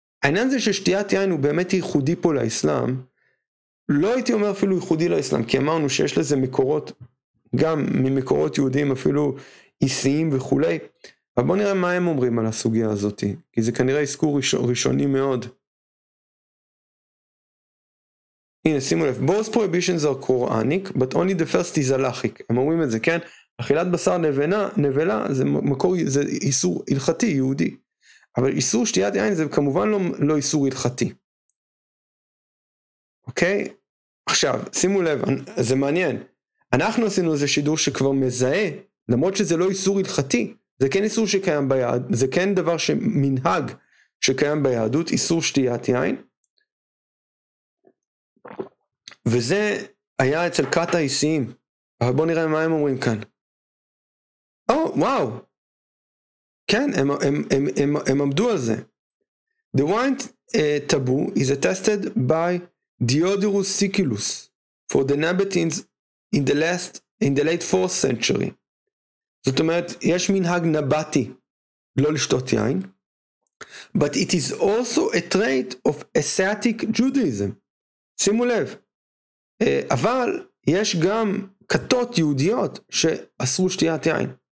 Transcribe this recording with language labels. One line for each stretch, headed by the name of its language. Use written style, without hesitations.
Hebrew: העניין הזה ששתיית יין הוא באמת ייחודי פה לאסלאם, לא הייתי אומר אפילו ייחודי לאסלאם, כי אמרנו שיש לזה מקורות, גם ממקורות יהודים אפילו איסיים וכולי, אבל בוא נראה מה הם אומרים על הסוגיה הזאת, כי זה כנראה עסקור ראשוני מאוד. הנה, שימו לב,
English: both prohibitions are Quranic, but only the first is halachic.
Hebrew: הם אומרים את זה, כן? אכילת בשר נבלה, זה מקור, זה איסור הלכתי יהודי. אבל איסור שתיית יין זה כמובן לא איסור הלכתי. אוקיי? עכשיו, שימו לב, זה מעניין. אנחנו עשינו איזה שידור שכבר מזהה, למרות שזה לא איסור הלכתי, זה כן איסור שקיים ביהדות, זה כן דבר שמנהג שקיים ביהדות, איסור שתיית יין. וזה היה אצל קאט האיסיים. אבל בואו נראה מה הם אומרים כאן. או, וואו! כן, הם עמדו על זה.
English: The wine taboo is attested by Diodorus Siculus for the Nabateans in the late 4th century.
Hebrew: זאת אומרת, יש מנהג נבטי לא לשתות יין,
English: but it is also a trait of Asiatic Judaism.
Hebrew: שימו לב, אבל יש גם כתות יהודיות שאסרו שתיית יין.